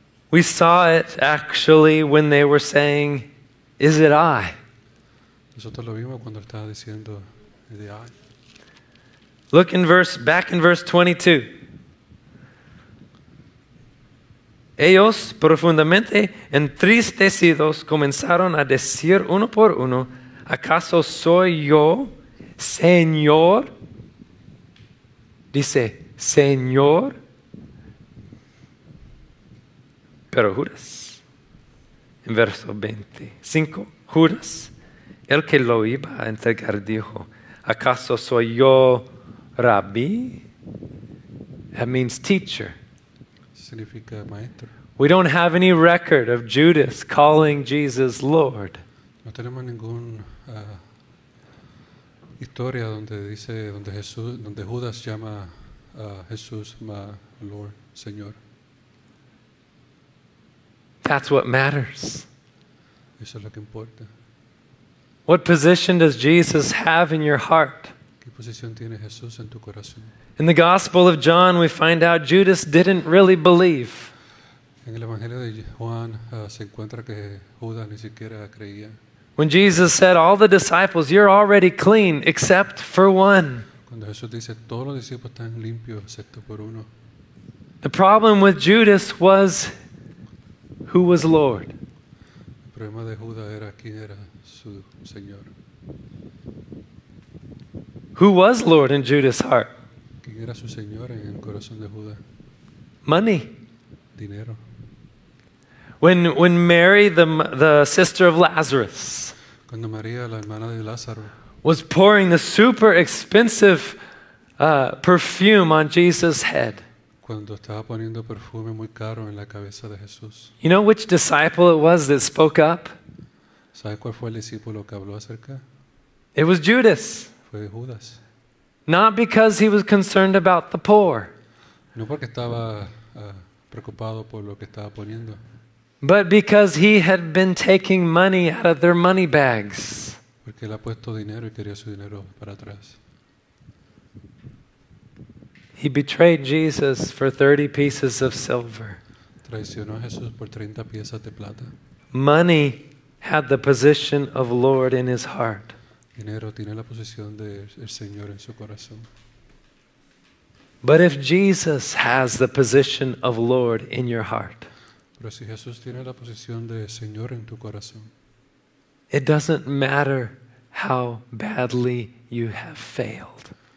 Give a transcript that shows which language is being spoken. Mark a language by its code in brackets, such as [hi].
[en] We saw it actually when they were saying, "Is it I?" [es] Nosotros lo vimos cuando estaba diciendo, [en] "Is it I?" Look in verse 22. [es] Ellos, profundamente entristecidos, comenzaron a decir uno por uno, ¿acaso soy yo, Señor? Dice, Señor. Pero Judas, en verso 25, Judas, el que lo iba a entregar, dijo, ¿acaso soy yo, Rabí? [en] That means teacher. [es] Significa maestro. [en] We don't have any record of Judas calling Jesus Lord. [es] No tenemos ningún historia donde dice donde Jesús donde Judas llama a Jesús ma Lord, Señor. [en] That's what matters. [es] Eso es lo que importa. [en] What position does Jesus have in your heart? [es] ¿Qué posición tiene Jesús en tu corazón? [en] In the Gospel of John, we find out Judas didn't really believe. [es] En el Evangelio de Juan se encuentra que Judas ni siquiera creía. [en] When Jesus said, "All the disciples, you're already clean, except for one." [es] Cuando Jesús dice, "Todos los discípulos están limpios, excepto por uno." [en] The problem with Judas was, who was Lord? [es] El problema de Judas era quién era su señor. [en] Who was Lord in Judas' heart? [es] ¿Quién era su señor en el corazón de Judas? [en] Money. [es] Dinero. [en] When Mary, the sister of Lazarus, [es] cuando María, la hermana de Lázaro, [en] was pouring the super expensive perfume on Jesus' head. [es] Cuando estaba poniendo perfume muy caro en la cabeza de Jesús. [en] You know which disciple it was that spoke up? [es] ¿Sabe cuál fue el discípulo que habló acerca? [en] It was Judas. [es] Fue Judas. [en] Not because he was concerned about the poor. [es] No porque estaba preocupado por lo que estaba poniendo. [en] But because he had been taking money out of their money bags. [es] Porque él ha puesto dinero y quería su dinero para atrás. [en] He betrayed Jesus for 30 pieces of silver. [es] Traicionó a Jesús por 30 piezas de plata. [en] Money had the position of Lord in his heart. [es] Dinero tiene la posición del Señor en su corazón. [en] But if Jesus has the position of Lord in your heart, [es] pero si Jesús tiene la posición de Señor en tu corazón, [en] it doesn't matter how badly you have failed.